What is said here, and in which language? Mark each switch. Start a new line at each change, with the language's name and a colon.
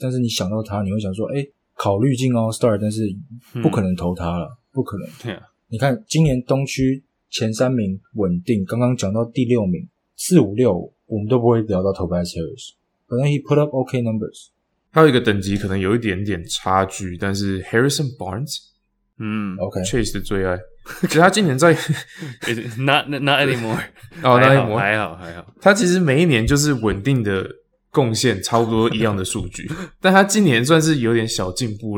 Chinese: 但是你想到他你会想说考虑进 All Star, 但是不可能投他了。不可能。 Yeah. 你看今年东区前三名稳定，刚刚讲到第六名 4、5、6，我们都不会聊到 Tobias Harris，
English: but then he put up OK numbers。
Chinese: 还有一个等级可能有一点点差距，但是 Harrison Barnes，嗯，OK， Chase 的最爱。可是他今年在
English: not anymore，哦， oh, ，not anymore，
Chinese: 还好还好。他其实每一年就是稳定的贡献差不多一样的数据，但他今年算是有点小进步。